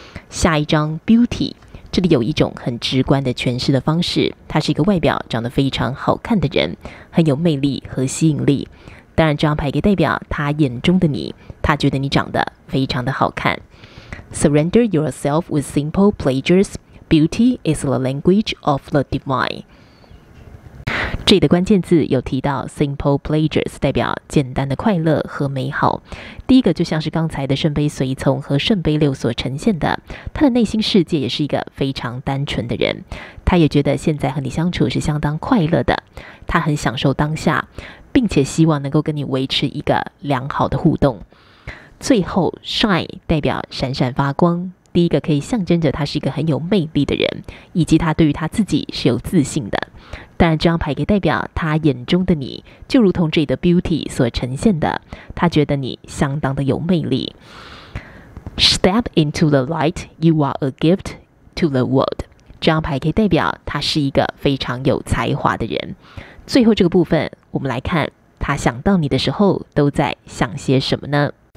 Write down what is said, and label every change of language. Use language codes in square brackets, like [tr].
[zh] 下一张 Beauty，这里有一种很直观的诠释的方式，他是一个外表长得非常好看的人，很有魅力和吸引力。当然，这张牌给代表他眼中的你，他觉得你长得非常的好看。 [en] Surrender yourself with simple pleasures. Beauty is the language of the divine. [zh] 这里的关键字有提到 simple pleasures， 代表简单的快乐和美好。第一个就像是刚才的圣杯随从和圣杯六所呈现的，他的内心世界也是一个非常单纯的人，他也觉得现在和你相处是相当快乐的，他很享受当下，并且希望能够跟你维持一个良好的互动。最后 shine 代表闪闪发光，第一个可以象征着他是一个很有魅力的人，以及他对于他自己是有自信的。当然，这张牌给代表他眼中的你，就如同这里的 beauty 所呈现的，他觉得你相当的有魅力。 [en] Step into the light, you are a gift to the world. [zh] 这张牌给代表他是一个非常有才华的人。最后这个部分，我们来看他想到你的时候都在想些什么呢？